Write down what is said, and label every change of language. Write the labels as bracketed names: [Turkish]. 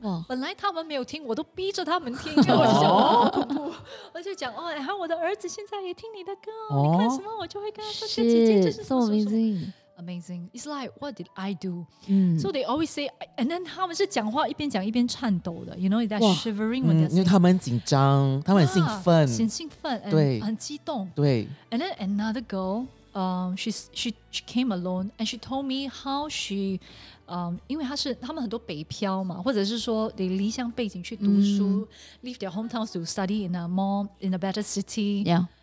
[Chinese] 哇，本来他们没有听，我都逼着他们听，因为我就想，哦，我就讲，哦，然后我的儿子现在也听你的歌，哦，你看什么，我就会跟他说，姐姐就是 [English] so amazing。 Amazing. It's like, what did I do? So they always say, and then [Chinese] 他们是讲话一边讲一边颤抖的， [English] you know, that shivering when they're saying. [Chinese] 因为他们很紧张，他们很兴奋，很兴奋，对，很激动，对。 [English] And then another girl, she came alone and she told me how she, [Chinese] 因为他们很多北漂嘛，或者是说 [English] they [Chinese] 离乡背景去读书， [English] leave their hometowns to study in a more, in a better city. Yeah.